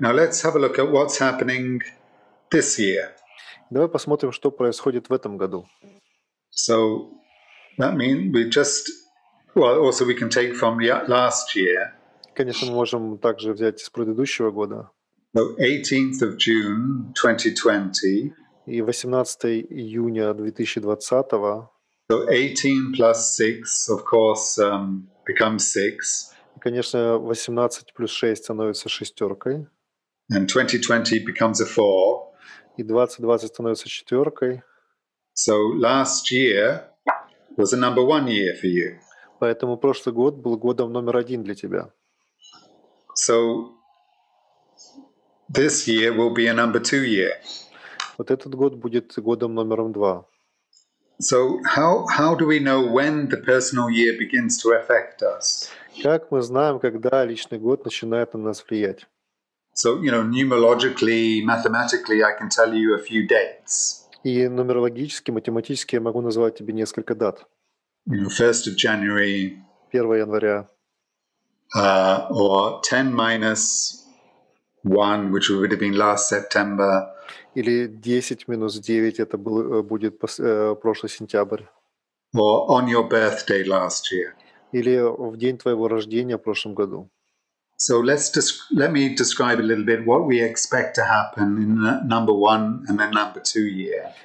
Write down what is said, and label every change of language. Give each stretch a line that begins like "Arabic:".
English: Now let's have a look at what's happening this year.
Russian: Давай посмотрим, что происходит в этом году.
English: So that means we just, well, also we can take from last year.
Russian: Конечно, мы можем также взять из предыдущего года.
English: So 18th of June 2020.
Russian: И 18 июня 2020.
English: So 18 plus 6, of course, becomes 6.
Russian: И, конечно, 18 плюс 6 становится шестеркой.
English: And 2020 becomes a 4.
Russian: И 2020 становится четверкой.
English: So last year was a number one year for you.
Russian: Поэтому прошлый год был годом номер один для тебя.
English: So this year will be a number two year.
Russian: Вот этот год будет годом номером два.
English: So how do we know when the personal year begins to affect us?
Russian: Как мы знаем, когда личный год начинает на нас влиять?
English: So, you know, numerologically, mathematically, I can tell you a few dates.
Russian: И нумерологически, математически я могу назвать тебе несколько дат.
English: You know, 1st of January.
Russian: 1 января.
English: Or 10 minus 1, which would have been last September.
Russian: Или 10 минус 9 — это будет прошлый сентябрь.
English: Or on your birthday last year.
Russian: Или в день твоего рождения в прошлом году.
English: So let me describe a little bit what we expect to happen in number one and then number two year.